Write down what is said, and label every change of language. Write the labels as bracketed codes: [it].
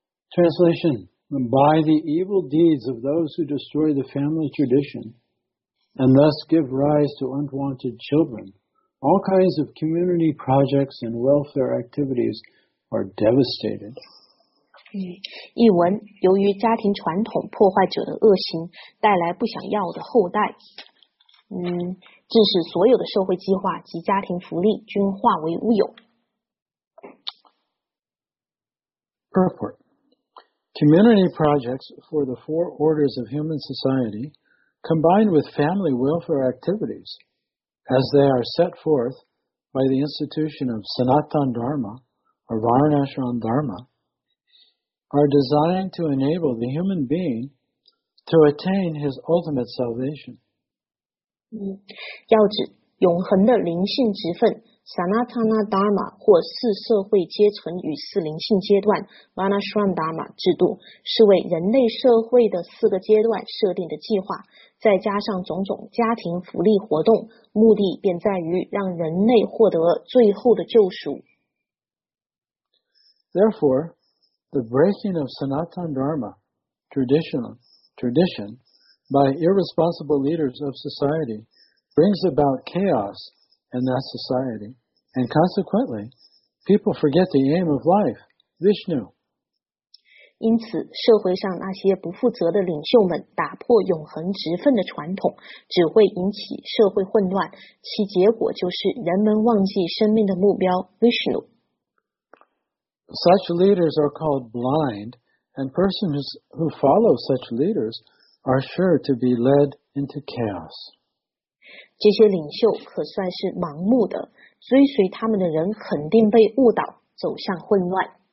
[en] Translation By the evil deeds of those who destroy the family tradition and thus give rise to unwanted childrenAll kinds of community projects and welfare activities are devastated. [zh] 译文，由于家庭传统破坏者的恶行，带来不想要的后代，致使所有的社会计划及家庭福利均化为乌有。 [en] Purport. Community projects for the four orders of human society combined with family welfare activities. As they are set forth by the institution of Sanatan Dharma or Varnashram Dharma, are designed to enable the human being to attain his ultimate salvation. [zh] 要指永恒的灵性职分 Sanatana Dharma 或四社会阶层与四灵性阶段 Varnashram Dharma 制度是为人类社会的四个阶段设定的计划。再加上种种家庭福利活动，目的便在于让人类获得最后的救赎。 [en] Therefore, the breaking of Sanatan Dharma tradition by irresponsible leaders of society brings about chaos in that society, and consequently, people forget the aim of life, Vishnu. [zh] 因此，社会上那些不负责的领袖们打破永恒职分的传统，只会引起社会混乱，其结果就是人们忘记生命的目标 Vishnu. [en] Such leaders are called blind, and persons who follow such leaders are sure to be led into chaos. [zh] 这些领袖可算是盲目的，追随他们的人肯定被误导，走向混乱。